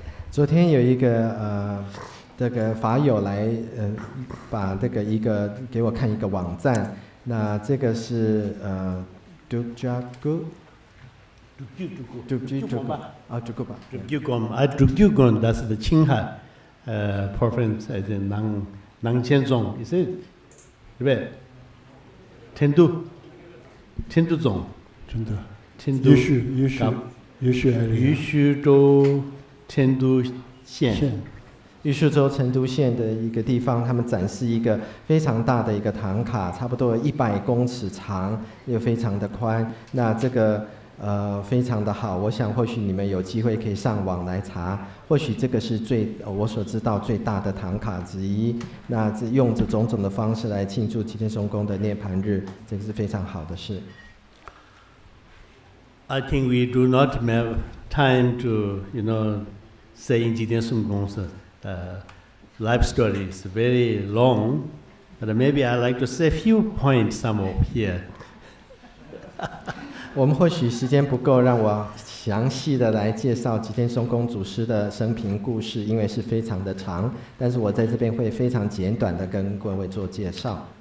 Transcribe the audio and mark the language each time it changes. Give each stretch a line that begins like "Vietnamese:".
Chinese: 昨天有一个这个法友来把这个一个给我看一个网站，那这个是
English: Drikung, that's the Qinghai province as in Nanqianzong. Is it? Right? Tendu Zong. Yushu area.
Chinese: Yushu州成都县的一个地方，他们展示一个非常大的一个唐卡，差不多100公尺长，又非常的宽。那这个非常的好，我想或许你们有机会可以上网来查，或许这个是最我所知道最大的唐卡之一。那这用着种种的方式来庆祝齐天松公的涅槃日，这个是非常好的事。
English: I think we do not have time to, you know, say in 齐天松公's life story is very long, but maybe I like to say a few points some of here.
Chinese: 我们或许时间不够，让我详细的来介绍吉天松公祖师的生平故事，因为是非常的长，但是我在这边会非常简短的跟各位做介绍。